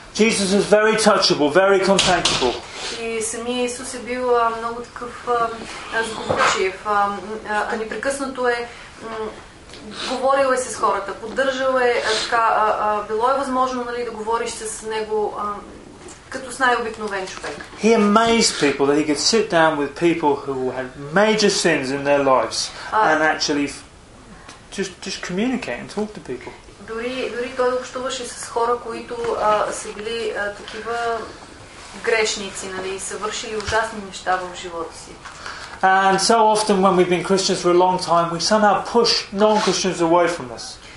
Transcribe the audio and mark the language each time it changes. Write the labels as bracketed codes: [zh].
[en] Jesus is very touchable, very contactable. [bg] И самия Исус е бил много такъв сговорчив. Непрекъснато е говорил е с хората, поддържал е така, било е възможно, нали, да говориш с него като с най-обикновен човек. [en] He amazed people that he could sit down with people who had major sins in their lives and actually just communicate and talk to people. [bg] Дори той общуваше с хора, които са били такива грешници, нали, са вършили ужасни неща в живота си. [en] And so often when we've been Christians for a long time, we somehow push non-Christians away from us.